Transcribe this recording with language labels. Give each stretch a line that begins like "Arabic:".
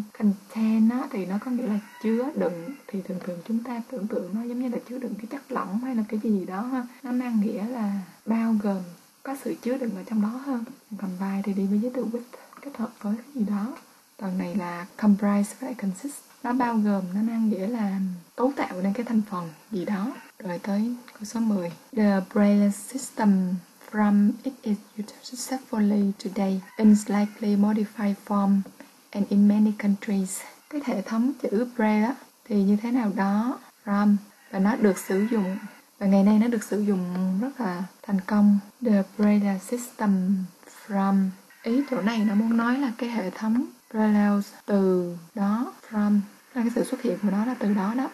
Vietnamese: Contain á, thì nó có nghĩa là chứa đựng, thì thường thường chúng ta tưởng tượng nó giống như là chứa đựng cái chất lỏng hay là cái gì đó ha. Nó mang nghĩa là bao gồm, có sự chứa đựng ở trong đó hơn. Combine thì đi với giới từ with, kết hợp với cái gì đó. Tuần này là comprise với lại consist, nó bao gồm, nó mang nghĩa là cấu tạo nên cái thành phần gì đó. Rồi tới câu số 10.
English: The braille system from it is used successfully today in slightly modified form and in many countries.
Vietnamese: Cái hệ thống chữ Braille đó, thì như thế nào đó, from, và nó được sử dụng, và ngày nay nó được sử dụng rất là thành công.
English: The Braille system from,
Vietnamese: ý chỗ này nó muốn nói là cái hệ thống Braille từ đó, from, là cái sự xuất hiện của nó là từ đó đó.